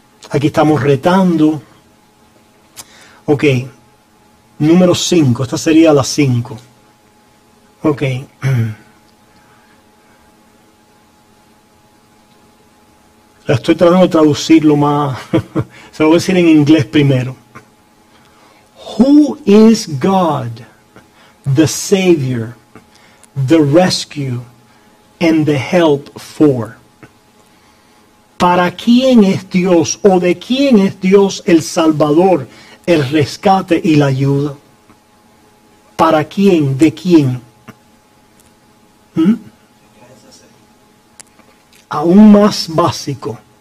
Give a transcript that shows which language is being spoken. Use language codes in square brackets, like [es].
[es] Aquí estamos retando. Ok, número 5, esta sería la 5. Ok. La estoy tratando de traducir lo más... Se lo voy a decir en inglés primero. [en] Who is God, the Savior, the Rescue, and the Help for? [es] ¿Para quién es Dios o de quién es Dios el Salvador, el rescate y la ayuda? ¿Para quién? ¿De quién? Aún más básico.